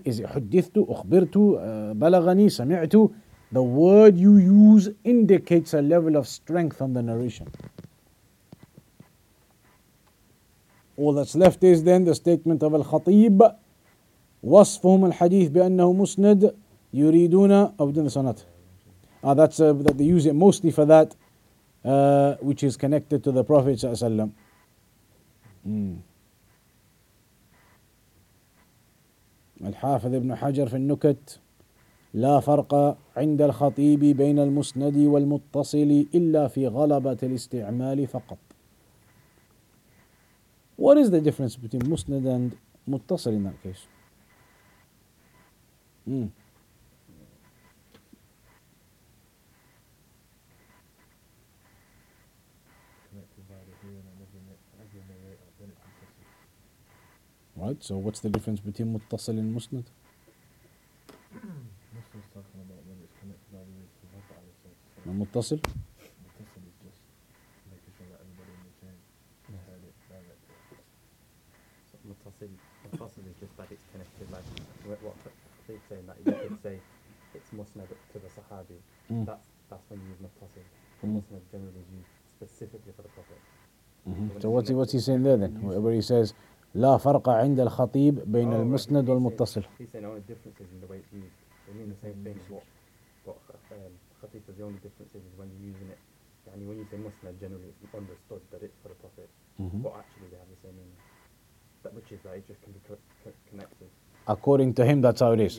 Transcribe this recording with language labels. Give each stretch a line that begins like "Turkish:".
English: Is it حدثتُ, أخبرتُ, بلغني, سمعتُ? The word you use indicates a level of strength on the narration. All that's left is then the statement of Al-Khatib.
Arabic: وَصْفُهُمْ الْحَدِيثِ بِأَنَّهُ مُسْنَدْ يُرِيدُونَ أَوْدِنْ سَنَتْ.
English: Ah, that's that they use it mostly for that, which is connected to the Prophet ﷺ.
Arabic: الحافظ ابن حجر في النكت لا فرق عند الخطيب بين المسند والمتصل إلا في غلبة الاستعمال فقط.
English: What is the difference between مسند and متصل in that case? Right, so what's the difference between muttasil and musnad? Muslim is talking about when it's connected by the way to the Prophet. And muttasil? Muttasil is just making sure that everybody in the chain has heard it directly. So muttasil is just that it's connected, like what they're saying, that you could say it's musnad to the Sahabi. Mm. That's when you use muttasil. Mm. Musnad generally is used specifically for the Prophet. Mm-hmm. So what's he saying there then? Where he says,
Arabic: لا فرق عند الخطيب بين المسند والمتصل.
English: He's saying only differences in the way it's used. They mean the same thing. What خطيب says, the only difference is when you're using it. يعني when you say مسند, generally it's understood that it's for the Prophet. Mm-hmm. But actually they have the same meaning. That which is that it just can be connected. According to him, that's how it is.